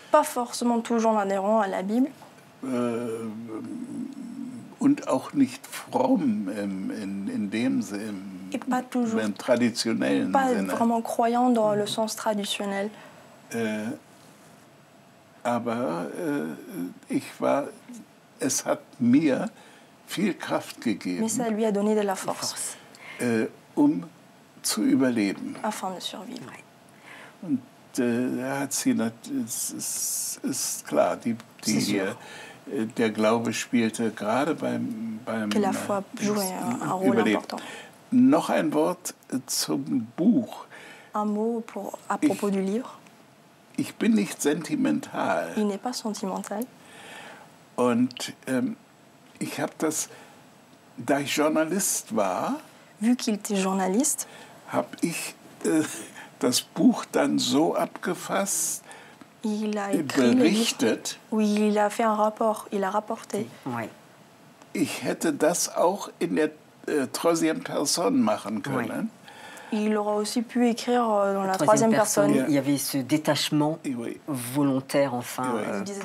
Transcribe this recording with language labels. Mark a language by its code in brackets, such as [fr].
[fr] Pas forcément toujours adhérent à la Bible. [de] Und auch nicht fromm in dem Sinne. [fr] Et pas toujours. [de] Im traditionellen [fr] pas [de] Sinne. [fr] Pas vraiment croyant dans le sens traditionnel. [de] Aber ich war. Es hat mir viel Kraft gegeben. [fr] Mais ça lui a donné de la force. [de] Um zu überleben. [fr] Afin de survivre. [de] Und hat sie ist klar, der Glaube spielte gerade beim [fr] que la foi jouait un rôle überlebt. Important. [de] Noch ein Wort zum Buch. [fr] Un mot pour, à propos du livre. [de] Ich bin nicht sentimental. [fr] Il n'est pas sentimental. [de] Und ich habe das, da ich Journalist war, [fr] vu qu'il était journaliste, [de] habe ich das Buch dann so abgefasst, [fr] il a [de] berichtet. [fr] Oui, il a fait un rapport, il a rapporté. Oui. [de] Ich hätte das auch in der [fr] troisième personne [de] machen können. [fr] Oui. Il aurait aussi pu écrire dans la troisième personne. Il y avait ce détachement volontaire, enfin.